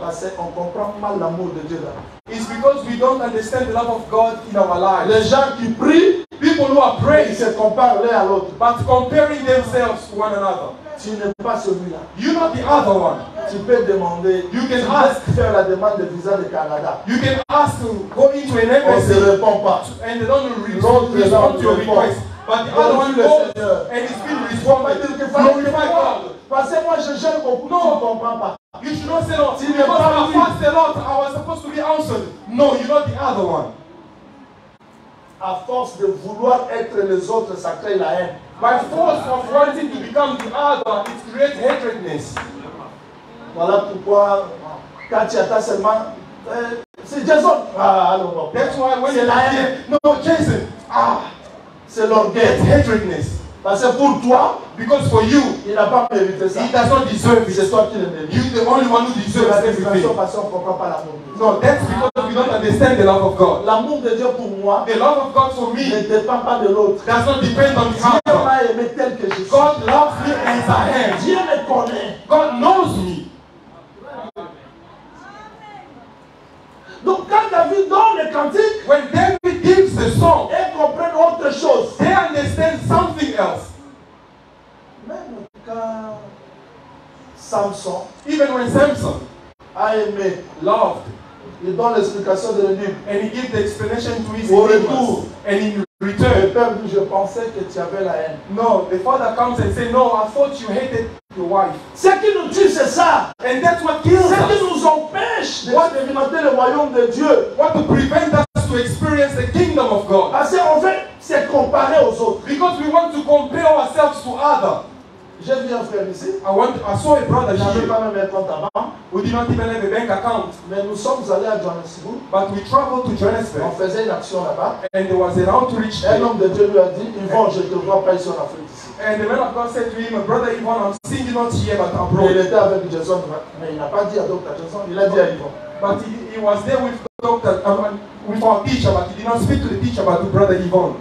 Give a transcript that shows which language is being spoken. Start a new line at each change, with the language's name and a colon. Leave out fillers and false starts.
French: Parce qu'on comprend mal l'amour de Dieu là.
English: It's because we don't understand the love of God in our lives.
French: Les gens qui prient,
English: people who are praying,
French: se comparent l'un à l'autre.
English: But comparing themselves to one another.
French: Tu n'es pas celui-là.
English: You're not the other one.
French: Tu peux demander.
English: You can ask.
French: Faire la demande de visa de Canada.
English: You can ask to go into an embassy.
French: On ne répond pas.
English: And they don't respond to your request. But the other one goes and he's been responded. Glorify God.
French: Parce que moi je jeûne beaucoup, tu ne comprends pas.
English: You should not say that. Because when I fast a lot, I was supposed to be answered. No, you're not the other one.
French: À force de vouloir être les autres, ça crée la haine.
English: By force of wanting to become the other, it creates hatredness.
French: Voilà pourquoi quand tu attends seulement, c'est Jason.
English: That's why when
French: c'est la haine.
English: No, Jason.
French: C'est l'orgueil.
English: It's hatredness.
French: Parce que pour toi,
English: because for you,
French: il n'a pas mérité ça.
English: He does not deserve it.
French: C'est toi qui le mérite.
English: You're the only one who deserves
French: la destination parce qu'on ne comprend pas l'amour de Dieu.
English: No, that's because we don't understand the love of God.
French: L'amour de Dieu pour moi,
English: the love of God for me,
French: ne dépend pas de l'autre.
English: Does not depend on
French: Dieu
English: the
French: m'a aimé tel que je suis.
English: God loves me as I am.
French: Dieu me connaît.
English: God knows me.
French: Donc quand David donne le cantique,
English: when David gives the song,
French: ils comprennent autre chose.
English: They understand something else.
French: Même quand Samson,
English: even when Samson,
French: a aimé,
English: loved,
French: il donne l'explication de lui,
English: and he gives the explanation to his
French: retour,
English: and in return,
French: le père dit, je pensais que tu avais la haine.
English: No, the father comes and says, no, I thought you hated. Your wife.
French: Ce qui nous tue, c'est ça.
English: And that's what kills
French: ce
English: us.
French: Ce qui nous empêche d'expérimenter le royaume de Dieu.
English: What to prevent us to experience the kingdom of God.
French: Parce qu'en fait, c'est comparer aux autres.
English: Because we want to compare ourselves to others.
French: J'ai vu un frère ici.
English: I saw a brother here.
French: J'avais pas même un compte avant.
English: We did not even have a bank account.
French: Mais nous sommes allés à Johannesburg.
English: But we traveled to Johannesburg.
French: On faisait une action là-bas.
English: And there was an outreach.
French: Un homme de Dieu lui a dit, Yvon, je te vois pas ici en Afrique.
English: And the man of God said to him, brother Yvon, I'm seeing you not here but abroad.
French: Il était avec Jason, mais il n'a pas dit à Dr. Jason, il a dit à Yvon.
English: But he was there with the doctor, with our teacher, but he did not speak to the teacher but to brother Yvon.